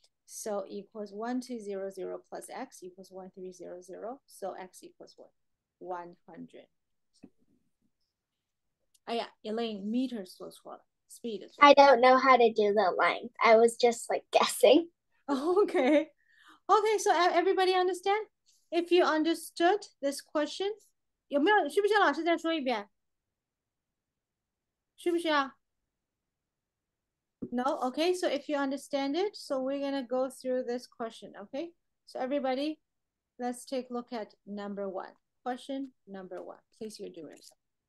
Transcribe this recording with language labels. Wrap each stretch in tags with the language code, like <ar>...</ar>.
<en>So equals 1200 plus x equals 1300. So x equals what? 100. Oh yeah, Elaine, meters was what? Speed is. I don't know how to do the length. I was just like guessing. Okay. Okay, so everybody understand? If you understood this question,</en> <zh>有没有？需不需要老师再说一遍？需不需要？</zh> <en>No, okay, so if you understand it, so we're going to go through this question, okay? So everybody, let's take a look at number one. Question number one. Please, you're doing something.</en>